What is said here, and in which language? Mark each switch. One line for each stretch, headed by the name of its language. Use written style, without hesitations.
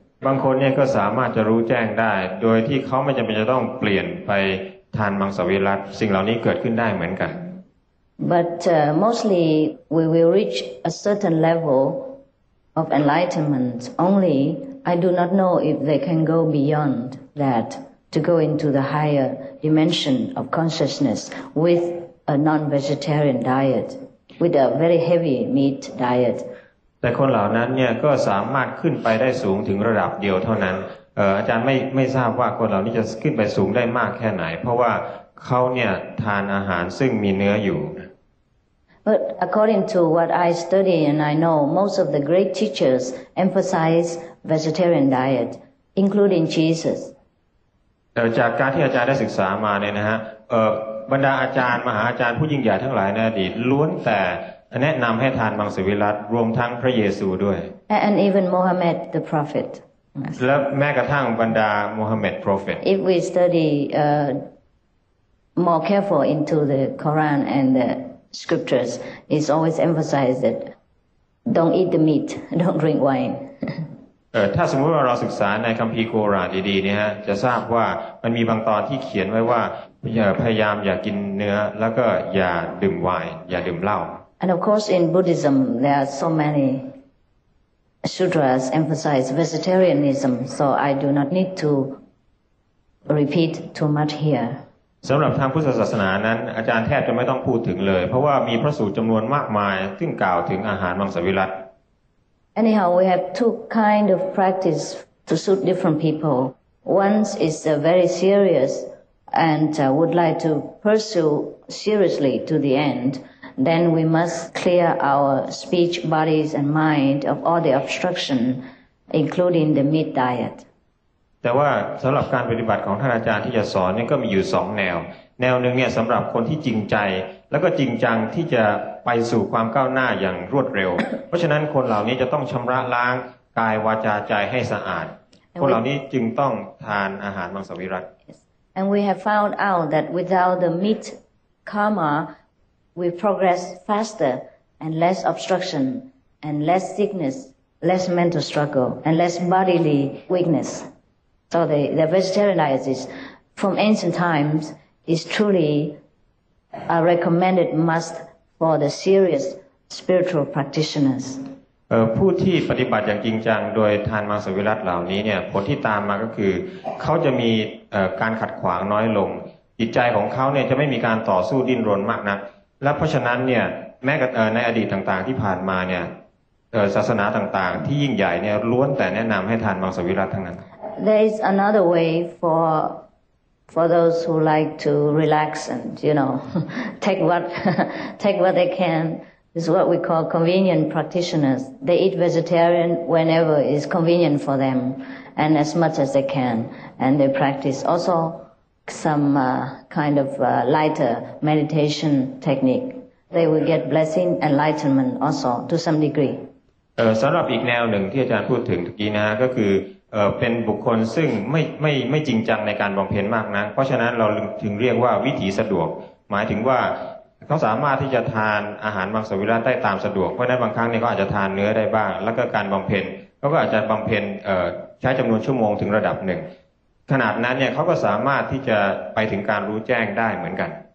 Thai: บางคนเนี่ยก็สามารถจะรู้แจ้งได้โดยที่เขาไม่จำเป็นจะต้องเปลี่ยนไปทานมังสวิรัติสิ่งเหล่านี้เกิดขึ้นได้เหมือนกัน
English: But mostly we will reach a certain level of enlightenment. Only I do not know if they can go beyond that. To go into the higher dimension of consciousness with a non-vegetarian diet, with a very heavy meat diet.
Thai: แต่คนเหล่านั้นเนี่ยก็สามารถขึ้นไปได้สูงถึงระดับเดียวเท่านั้นอาจารย์ไม่ทราบว่าคนเหล่านี้จะขึ้นไปสูงได้มากแค่ไหนเพราะว่าเขาเนี่ยทานอาหารซึ่งมีเนื้ออยู่
English: But according to what I study and I know, most of the great teachers emphasize vegetarian diet, including Jesus.
Thai: จากการที่อาจารย์ได้ศึกษามาเนี่ยนะฮะบรรดาอาจารย์มหาอาจารย์ผู้ยิ่งใหญ่ทั้งหลายในอดีตล้วนแต่แนะนำให้ทานมังสวิรัติรวมทั้งพระเยซูด้วย
English: and even Mohammed the prophet
Thai: และแม้กระทั่งบรรดาโมฮัมเหม็ดโปรเฟต
English: If we study more careful into the Quran and the scriptures it's always emphasized that don't eat the meat don't drink wine
Thai: ถ้าสมมติว่าเราศึกษาในคัมภีร์กุรอานดีๆนะฮะจะทราบว่ามันมีบางตอนที่เขียนไว้ว่าพยายามอย่ากินเนื้อแล้วก็อย่าดื่มไวน์อย่าดื่มเหล้า
English: And of course in Buddhism there are so manySutras emphasize vegetarianism, so I do not need to repeat too much here.
Thai: สำหรับทางพุทธศาสนานั้นอาจารย์แทบจะไม่ต้องพูดถึงเลยเพราะว่ามีพระสูตรจำนวนมากมายซึ่งกล่าวถึงอาหารมังสวิรัติ
English: Anyhow, we have two kind of practice to suit different people. One is very serious and would like to pursue seriously to the end. Then we must clear our speech, bodies, and mind of all the obstruction, including the meat diet.
Thai: แต่ว่าสำหรับการปฏิบัติของท่านอาจารย์ที่จะสอนนี่ก็มีอยู่สองแนวแนวหนึ่งเนี่ยสำหรับคนที่จริงใจแล้วก็จริงจังที่จะไปสู่ความก้าวหน้าอย่างรวดเร็ว เพราะฉะนั้นคนเหล่านี้จะต้องชำระล้างกายวาจาใจให้สะอาด คนเหล่านี้จึงต้องทานอาหารมังสวิรัติ
English: And we have found out that without the meat karma. We progress faster and less obstruction and less sickness, less mental struggle and less bodily weakness. So the vegetarian diet is, from ancient times, is truly a recommended must for the serious spiritual practitioners.
Thai: ผู้ที่ปฏิบัติอย่างจริงจังโดยทานมังสวิรัติเหล่านี้เนี่ยผลที่ตามมาก็คือเขาจะมีการขัดขวางน้อยลงจิตใจของเขาเนี่ยจะไม่มีการต่อสู้ดิ้นรนมากนักและเพราะฉะนั้นเนี่ยแม้ในอดีตต่างๆที่ผ่านมาเนี่ยศาสนาต่างๆที่ยิ่งใหญ่เนี่ยล้วนแต่แนะนำให้ทานมังสวิรัติทั้งนั้น
English: There is another way for those who like to relax and you know take what they can is what we call convenient practitioners they eat vegetarian whenever is convenient for them and as much as they can and they practice alsoSome kind of lighter meditation technique. They will get blessing enlightenment also to some degree.
Thai: สำหรับอีกแนวหนึ่งที่อาจารย์พูดถึงเมื่อกี้นะก็คือเป็นบุคคลซึ่งไม่จริงจังในการบำเพ็ญมากนักเพราะฉะนั้นเราถึงเรียกว่าวิถีสะดวกหมายถึงว่าเขาสามารถที่จะทานอาหารมังสวิรัติได้ตามสะดวกเพราะนั้นบางครั้งเนี่ยเขาอาจจะทานเนื้อได้บ้างแล้วก็การบำเพ็ญเขาก็อาจจะบำเพ็ญใช้จำนวนชั่วโมงถึงระดับหนึ่งขนาดนั้นเนี่ยเขาก็สามารถที่จะไปถึงการรู้แจ้งได้เหมือนกัน